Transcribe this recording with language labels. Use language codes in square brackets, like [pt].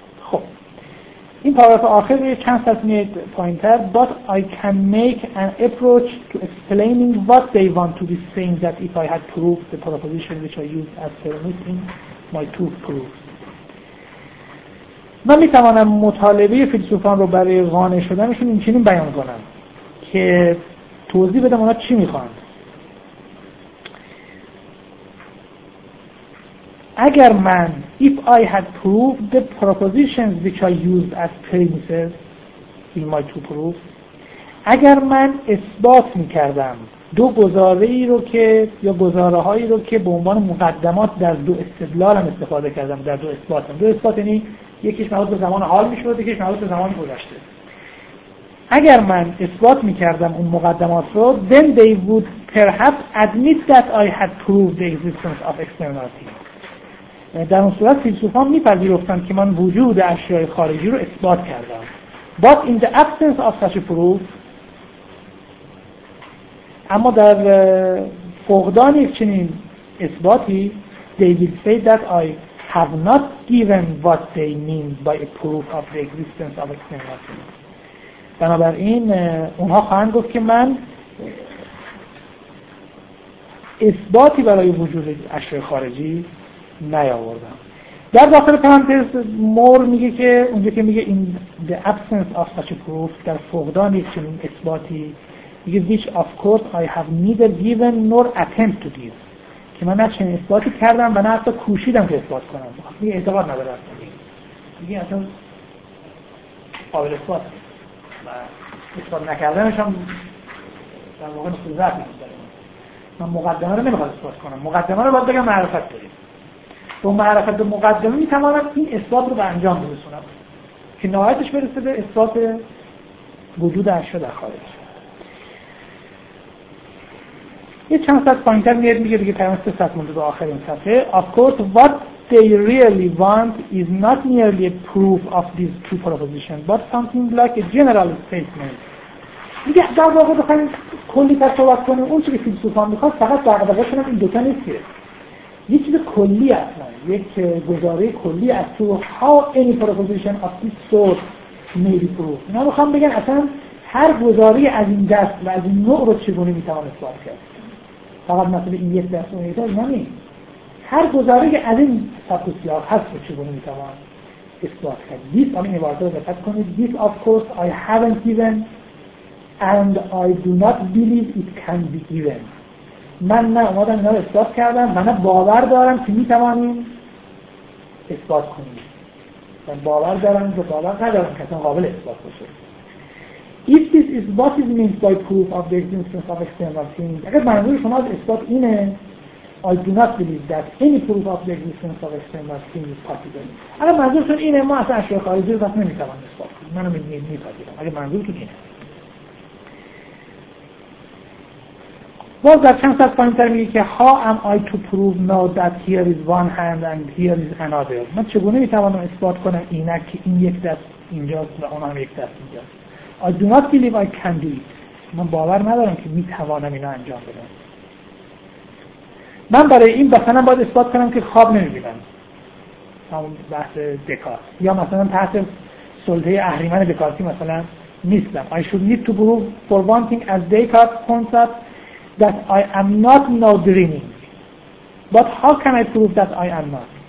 [fa] خب این پاراگراف آخر چند سطح پایین تر [en] but I can make an approach to explaining what they want to be saying that if I had proved the proposition which I used as premise in my two proofs. [fa] من میتوانم مطالبه فیلسوفان رو برای قانع شدنشون اینچنین بیان کنم که توضیح بدم اونا چی میخوان. اگر من [en] if I had proved the propositions which I used as premises in my two proofs، [fa] اگر من اثبات میکردم دو گزاره ای رو که یا گزاره هایی رو که به عنوان مقدمات در دو استدلالم استفاده کردم، در دو اثباتم، دو اثبات یعنی یکیش مربوط به زمان حال میشود یکیش مربوط به زمان گذشته، اگر من اثبات میکردم اون مقدمات رو [en] then they would perhaps admit that I had proved the existence of externality. [fa] در اون صورت فیلسوفان میپذیرفتند که من وجود اشیای خارجی رو اثبات کردم. [en] But in the absence of such a proof، [fa] اما در فقدان یک چنین اثباتی، [en] they will say that I have not given what they mean by a proof of the existence of externality. [fa] بنابراین اونها خواهند گفت که من اثباتی برای وجود اشیای خارجی نیاوردم. در داخل پرانتز مور میگه که اونجا که میگه [en] in the absence of such a proof، [fa] در فقدان یک چنین اثباتی، میگه [en] which of course I have neither given nor attempt to give، [fa] که من نه چنین اثباتی کردم و نه حتی کوشیدم که اثبات کنم. میگه اعتقاد نداره اصلا، میگه اصلا قابل اثبات و اثبات نکردنش هم در واقع نقطه ضعف نداره. من مقدمه رو نمیخواد اثبات کنم، مقدمه رو باید بگم معرفت داریم. با معرفت به مقدمه میتوانم این اثبات رو به انجام برسونم که نهایتش برسه به اثبات وجود اشیا در خارج. یه چند سطح پایین‌تر میاد میگه دیگه تمام سه سطح مونده به آخر این صفحه. [en] Of course what they really want is not merely a proof of these two propositions but something like a general statement. [fa] میگه در واقع بخواییم کلی تصورت کنیم، اون چی که فیلسوفان میخواست فقط دقدقه شنم این دوتا نیست که یه چیز کلی اصلا، یک گزاره کلی از تو [en] how any proposition of this sort may be proved. [fa] اینا رو خواهم بگن اصلا هر گزاره از این دست و از این نوع رو چگونه میتوان اثبات کرد. فقط مثلا این یک دست و یک دست نمیم، هر گزاره از این سبکسیار هست رو چگونه میتوان اثبات کرد. [en] This, [fa] همین عبارت رو دقت کنید، [en] this of course I haven't given and I do not believe it can be given. [fa] من نه اومدم اینا رو اثبات کردم و نه باور دارم که میتوانیم اثبات کنیم. من باور دارم که باور ندارم که اصلا قابل اثبات باشه. [en] If this is what is meant by proof of the existence of external things. [fa] اگر منظور شما از اثبات اینه، [en] I do not believe that any proof of the existence of external things is possible. [fa] اگر منظورتون اینه، ما اصلا اشیاء خارجی رو نمیتوانیم اثبات کنیم. منو میپذیرم. اگر منظورتون اینه. باز در چند ست پایین تر میگه که [en] How am I to prove now that here is one hand and here is another. [fa] من چگونه میتوانم اثبات کنم اینه که این یک دست اینجاست و اون هم یک دست اینجاست. [en] I do not believe I can do it. [fa] من باور ندارم که میتوانم اینا انجام بدم. من برای این مثلا باید اثبات کنم که خواب نمیبینم، همون بحث دکارت. یا مثلا تحت سلطه اهریمن دکارتی مثلا نیستم. [en] I should need to prove for one thing as Descartes concept that I am not now dreaming. But how can I prove that I am not?